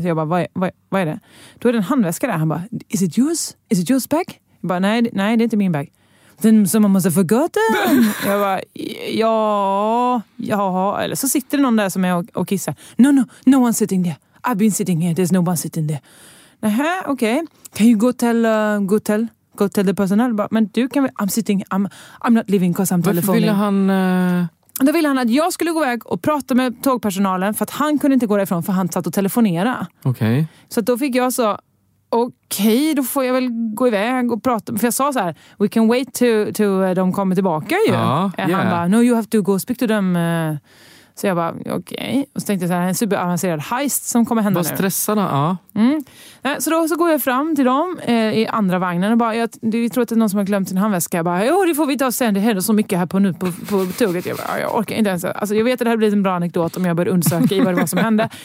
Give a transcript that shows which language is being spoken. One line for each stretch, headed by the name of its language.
Swedish: Så jag bara, vad är det? Då är det en handväska där. Han bara,
English: is it yours? Is it yours bag?
Swedish: Jag bara, nej, det är inte min bag.
English: Then someone must have forgotten.
Swedish: Jag bara, ja. Eller så sitter någon där som är och kissar.
English: No, one sitting there.
Swedish: I've been sitting here. There's no one sitting there.
English: Aha, okay. Can you go tell the personnel?
Swedish: Men du kan väl,
English: I'm not leaving because I'm telephoning.
Swedish: Varför ville han... Då ville han att jag skulle gå iväg och prata med tågpersonalen, för att han kunde inte gå därifrån för han satt och telefonera. Okej.
English: Okay.
Swedish: Så då fick jag så, okej, då får jag väl gå iväg och prata. För jag sa så här,
English: we can wait till
Swedish: de kommer tillbaka ju. Ja, han bara,
English: no, you have to go speak to them.
Swedish: Så jag bara, okej. Och så tänkte jag så här, en superavancerad heist som kommer hända nu. Vad stressarna, ja. Mm. Så då så går jag fram till dem i andra vagnen och bara, vi tror att det är någon som har glömt sin handväska. Jag bara, det får vi ta sen, det händer så mycket här på nu på tåget. Jag bara, jag orkar inte ens. Alltså jag vet att det här blir en bra anekdot om jag börjar undersöka i vad det var som hände.